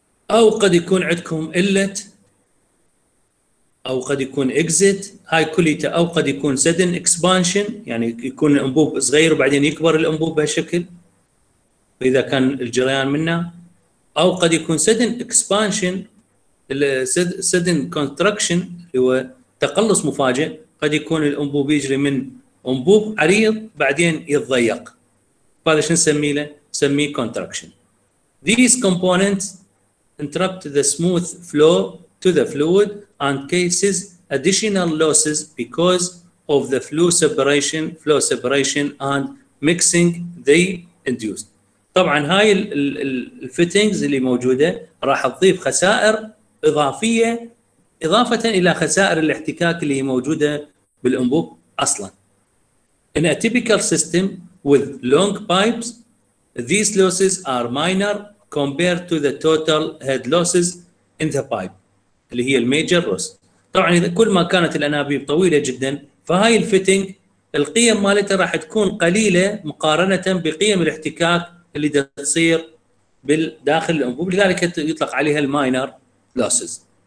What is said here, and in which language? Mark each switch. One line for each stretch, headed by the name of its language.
Arabic: او قد يكون عندكم إلت، او قد يكون اكزيت، هاي كليته، او قد يكون سدن اكسبانشن، يعني يكون الانبوب صغير وبعدين يكبر الانبوب بهالشكل اذا كان الجريان منه، او قد يكون سدن اكسبانشن، سدن كونتراكشن هو تقلص مفاجئ، قد يكون الانبوب يجري من انبوب عريض بعدين يتضيق، هذا شو نسميه له، نسميه كونتراكشن.
English: These components interrupt the smooth flow to the fluid and causes additional losses because of the flow separation and mixing they induced.
Arabic: طبعا هاي الفيتنجز اللي موجوده راح تضيف خسائر اضافيه اضافه الى خسائر الاحتكاك اللي موجوده بالانبوب اصلا.
English: In a typical system with long pipes these losses are minor compared to the total head losses in the pipe
Arabic: اللي هي الميجر روس. طبعا اذا كل ما كانت الانابيب طويله جدا فهاي الفيتنج القيم مالتها راح تكون قليله مقارنه بقيم الاحتكاك اللي تصير بالداخل الانبوب، لذلك يطلق عليها الماينر لوسز.